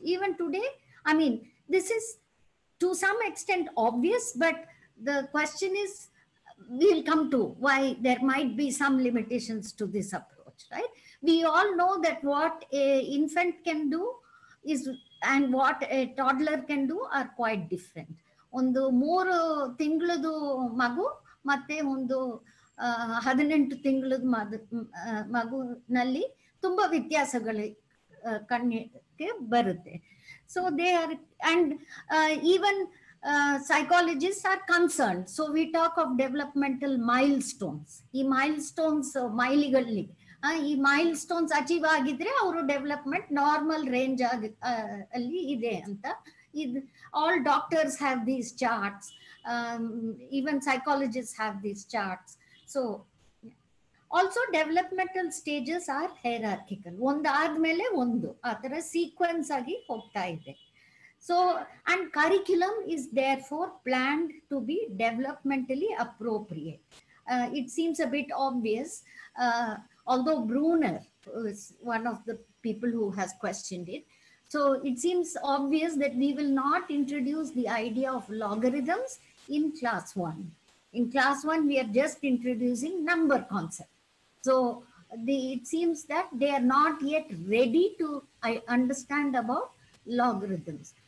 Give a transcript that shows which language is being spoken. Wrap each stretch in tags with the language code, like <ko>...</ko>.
<en>Even today, I mean, this is to some extent obvious, but the question is, we'll come to why there might be some limitations to this approach, right? We all know that what an infant can do is and what a toddler can do are quite different.</en> <kn>ಒಂದು ಮೂರು ತಿಂಗಳದು ಮಗು ಮತ್ತೆ ಒಂದು 18 ತಿಂಗಳದ ಮಗುನಲ್ಲಿ ತುಂಬಾ ವ್ಯತ್ಯಾಸಗಳು ಕಣ್ಣಿಗೆ ಬರುತ್ತೆ.</kn> <en>So they are and even psychologist are concerned. So we talk of developmental milestones.</en> <kn>ಈ ಮೈಲ್ ಸ್ಟೋನ್ಸ್ ಮೈಲಿಗಳಲ್ಲಿ ಈ ಮೈಲ್ ಸ್ಟೋನ್ಸ್ ಅಚೀವ್ ಆಗಿದ್ರೆ ಅವರು ಡೆವಲಪ್ಮೆಂಟ್ ನಾರ್ಮಲ್ ರೇಂಜ್ ಆಗಿ ಅಲ್ಲಿ ಇದೆ ಅಂತ.</kn> <en>All doctors have these charts, even psychologists have these charts. So also developmental stages are hierarchical.</en> <kn>ಒಂದು ಆದ್ಮೇಲೆ ಒಂದು ಆ ತರ ಸೀಕ್ವೆನ್ಸ್ ಆಗಿ ಹೋಗ್ತಾ ಇದೆ.</kn> <en>So and curriculum is there for planned to be developmentally appropriate. It seems a bit obvious, although Bruner is one of the people who has questioned it. So it seems obvious that we will not introduce the idea of logarithms in class 1. In class 1, we are just introducing number concept. So it seems that they are not yet ready to understand about logarithms.</en>